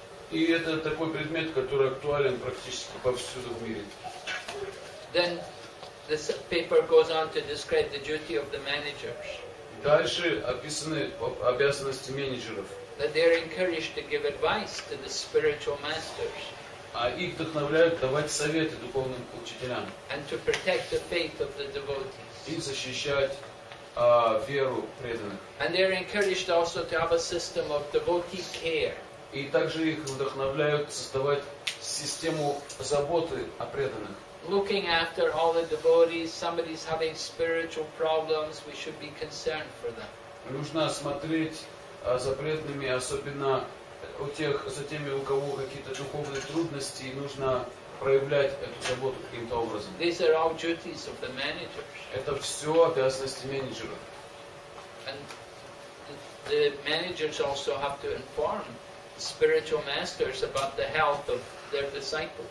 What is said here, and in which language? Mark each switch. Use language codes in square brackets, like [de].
[ru] И это такой предмет, который актуален практически повсюду в мире. [en] Then this paper goes on to describe the duty of the managers. [ru] Дальше описаны обязанности менеджеров. [en] That they are encouraged to give advice to the spiritual masters. [ru] А их вдохновляют давать советы духовным учителям. [en] And to protect the faith of the devotees. [ru] И защищать веру преданных. [en] And they are encouraged also to have a system of devotee care. [ru] И также их вдохновляют создавать систему заботы о преданных. [en] Looking after all the devotees, somebody's having spiritual problems, we should be concerned for them. [ru] Нужно смотреть за преданными, особенно за теми, у кого какие-то духовные трудности, нужно проявлять эту заботу каким-то образом. [en] These are all duties of the managers. [ru] Это все обязанности менеджеров. [en] And the managers also have to inform spiritual masters about the health of their disciples.